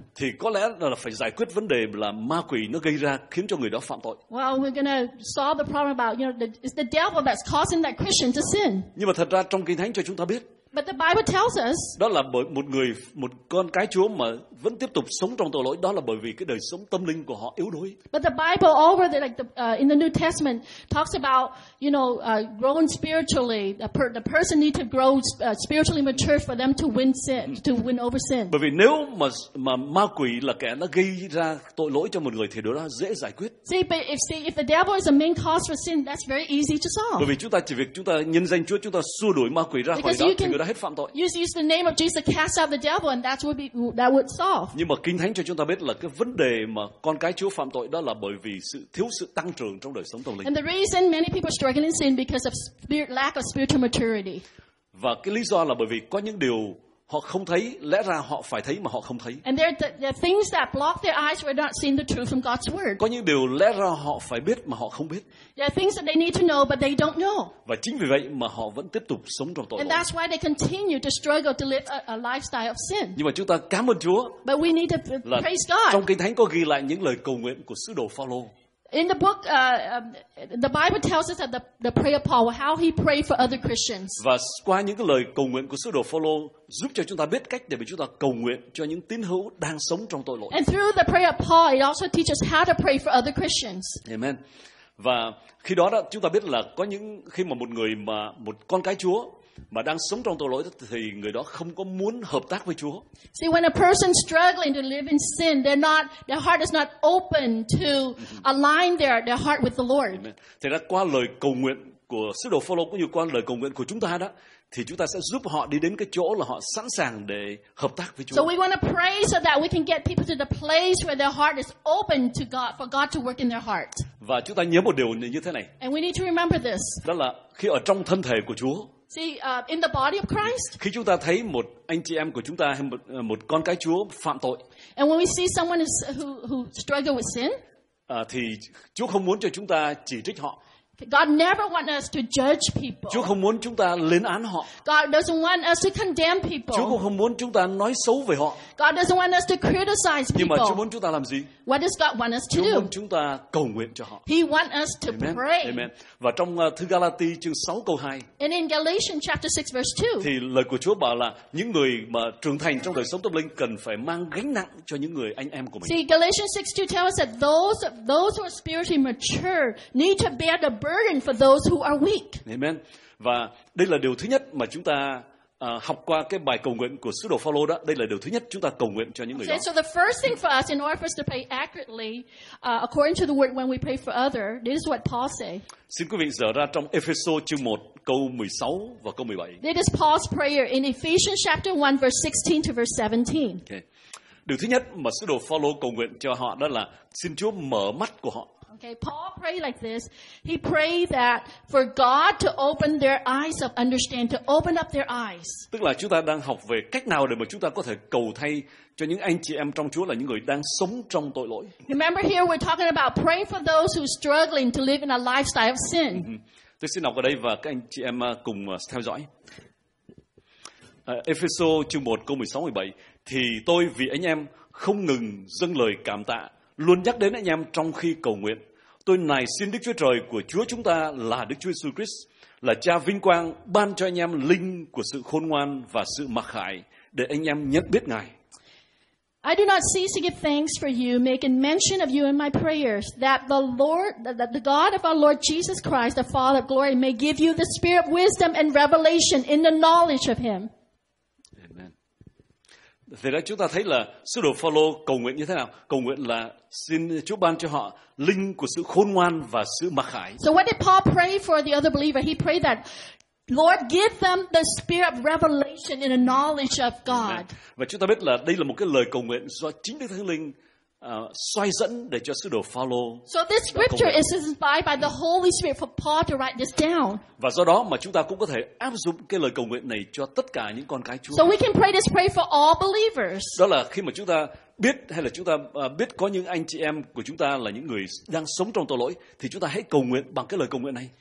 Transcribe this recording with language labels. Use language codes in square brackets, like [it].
[vi] Thì có lẽ là phải giải quyết vấn đề là ma quỷ nó gây ra khiến cho người đó phạm tội. [en] Well, we're going to solve the problem about, you know, it's the devil that's causing that Christian to sin. [vi] Nhưng mà thật ra trong Kinh Thánh cho chúng ta biết. [en] But the Bible tells us. [vi] Đó là bởi một người, một con cái Chúa mà vẫn tiếp tục sống trong tội lỗi, đó là bởi vì cái đời sống tâm linh của họ yếu đuối. [en] But the Bible over there, like the, in the New Testament talks about, you know, growing spiritually. The person need to grow spiritually mature for them to win sin, to win over sin. [vi] Bởi vì nếu mà ma quỷ là kẻ nó gây ra tội lỗi cho một người thì điều đó dễ giải quyết. [en] See, but if the devil is the main cause for sin, that's very easy to solve. [vi] Bởi vì chúng ta chỉ việc chúng ta nhân danh Chúa, chúng ta xua đuổi ma quỷ ra khỏi đó thì đã hết phạm tội. [en] Use the name of Jesus, cast out the devil, and that would solve. [vi] Nhưng mà Kinh Thánh cho chúng ta biết là cái vấn đề mà con cái Chúa phạm tội đó là bởi vì sự thiếu sự tăng trưởng trong đời sống tâm linh. [en] And the reason many people struggle in sin because of lack of spiritual maturity. [vi] Và cái lý do là bởi vì có những điều họ không thấy, lẽ ra họ phải thấy mà họ không thấy. [en] And there are things that block their eyes where they're not seeing the truth from God's word. [vi] Có những điều lẽ ra họ phải biết mà họ không biết. [en] There are things that they need to know but they don't know. [vi] Và chính vì vậy mà họ vẫn tiếp tục sống trong tội lỗi. [en] And that's why they continue to struggle to live a lifestyle of sin. [vi] Nhưng mà chúng ta cảm ơn Chúa. [en] But we need to praise God. [vi] Trong Kinh Thánh có ghi lại những lời cầu nguyện của sứ đồ Phao-lô. [en] In the book, the Bible tells us that the prayer of Paul, how he prayed for other Christians. [vi] Và qua những cái lời cầu nguyện của sứ đồ Phao-lô giúp cho chúng ta biết cách để chúng ta cầu nguyện cho những tín hữu đang sống trong tội lỗi. [en] And through the prayer of Paul, it also teaches how to pray for other Christians. Amen. [vi] Và khi đó chúng ta biết là có những khi mà một người mà một con cái Chúa mà đang sống trong tội lỗi thì người đó không có muốn hợp tác với Chúa. [en] See, when a person struggling to live in sin, their heart is not open to align their heart with the Lord. [vi] Thì đó qua lời cầu nguyện của sứ đồ Phao-lô cũng như qua lời cầu nguyện của chúng ta đó, thì chúng ta sẽ giúp họ đi đến cái chỗ là họ sẵn sàng để hợp tác với Chúa. [en] So we want to pray so that we can get people to the place where their heart is open to God, for God to work in their heart. [vi] Và chúng ta nhớ một điều như thế này. [en] And we need to remember this. [vi] Đó là khi ở trong thân thể của Chúa. [en] See, in the body of Christ. [vi] Khi chúng ta thấy một anh chị em của chúng ta hay một con cái Chúa phạm tội. [en] And when we see someone who struggle with sin. [vi] thì Chúa không muốn cho chúng ta chỉ trích họ. [en] God never wants us to judge people. [vi] Chúa không muốn chúng ta lên án họ. [en] God doesn't want us to condemn people. [vi] Chúa cũng không muốn chúng ta nói xấu về họ. [en] God doesn't want us to criticize people. [vi] Nhưng mà Chúa muốn chúng ta làm gì? [en] What does God want us to do? [vi] Chúa muốn chúng ta cầu nguyện cho họ. [en] He wants us to Amen. Pray. Amen. [vi] Và trong thư Galati chương 6 câu 2. [en] And in Galatians chapter 6 verse 2. [vi] Thì lời của Chúa bảo là những người mà trưởng thành trong đời sống tâm linh cần phải mang gánh nặng cho những người anh em của mình. [en] See, Galatians 6:2 tells us that those who are spiritually mature need to bear the burden for those who are weak. Amen. [vi] Và đây là điều thứ nhất mà chúng ta học qua cái bài cầu nguyện của sứ đồ Phaolô đó. Đây là điều thứ nhất chúng ta cầu nguyện cho những người đó. [en] So the first thing for us, in order for us to pray accurately, according to the word, when we pray for other, this is what Paul say. [vi] Xin quý vị dở ra trong Ephesos chương 1 câu 16 và câu 17. [en] This is Paul's prayer in Ephesians chapter 1 verse 16 to verse 17. Okay. [vi] Điều thứ nhất mà sứ đồ Phaolô cầu nguyện cho họ đó là xin Chúa mở mắt của họ. [en] Okay, Paul prayed like this. He prayed that for God to open their eyes of understanding, to open up their eyes. [vi] Tức là chúng ta đang học về cách nào để mà chúng ta có thể cầu thay cho những anh chị em trong Chúa là những người đang sống trong tội lỗi. [en] Remember here we're talking about praying for those who are struggling to live in a lifestyle of sin. [vi] Tôi xin đọc ở đây và các anh chị em cùng theo dõi. Ephesos chương 1 câu 16 17 thì tôi vì anh em không ngừng dâng lời cảm tạ, luôn nhắc đến anh em trong khi cầu nguyện. Tôi nài xin Đức Chúa Trời của Chúa chúng ta là Đức Chúa Jesus Christ, là Cha vinh quang, ban cho anh em linh của sự khôn ngoan và sự mặc khải để anh em nhận biết Ngài. [en] I do not cease to give thanks for you, making mention of you in my prayers, that the Lord, that the God of our Lord Jesus Christ, the Father of glory, may give you the spirit of wisdom and revelation in the knowledge of Him. [vi] Thế đó chúng ta thấy là sứ đồ Phaolô cầu nguyện như thế nào? Cầu nguyện là xin Chúa ban cho họ linh của sự khôn ngoan và sự mặc khải. [en] So what did Paul pray for the other believer? He prayed that Lord give them the spirit of revelation and a knowledge of God. [vi] Và chúng ta biết là đây là một cái lời cầu nguyện do chính Đức Thánh Linh xoay dẫn để cho sứ đồ Phaolô. [en] So this scripture is inspired by the Holy Spirit for Paul to write this down. [vi] Và do đó mà chúng ta cũng có thể áp dụng cái lời cầu nguyện này cho tất cả những con cái Chúa. [en] So we can pray this prayer for all believers. [vi] Đó là khi mà chúng ta biết hay là chúng ta biết có những anh chị em của chúng ta là những người đang sống trong tội lỗi thì chúng ta hãy cầu nguyện bằng cái lời cầu nguyện này.